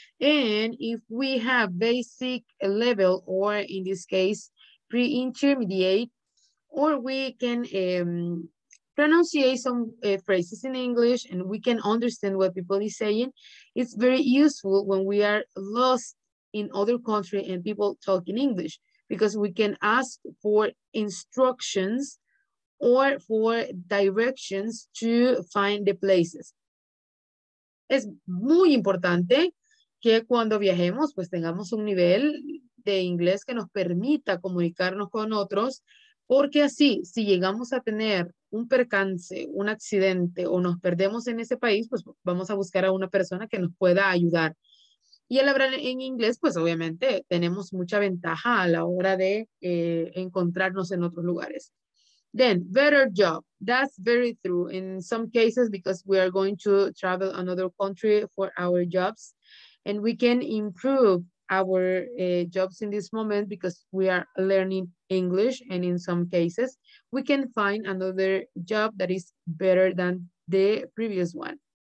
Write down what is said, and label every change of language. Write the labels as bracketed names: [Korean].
[English] And if we have basic level, or in this case, pre-intermediate, or we can pronunciate some phrases in English and we can understand what people are saying, it's very useful when we are lost in other country and people talk in English, because we can ask for instructions or for directions to find the places. [Spanish] Es muy importante que cuando viajemos, pues tengamos un nivel de inglés que nos permita comunicarnos con otros, porque así, si llegamos a tener un percance, un accidente, o nos perdemos en ese país, pues vamos a buscar a una persona que nos pueda ayudar. Y al hablar en inglés, pues obviamente tenemos mucha ventaja a la hora de encontrarnos en otros lugares. [English] Then, better job. That's very true in some cases, because we are going to travel another country for our jobs. And we can improve our jobs in this moment because we are learning English. And in some cases, we can find another job that is better than the previous one.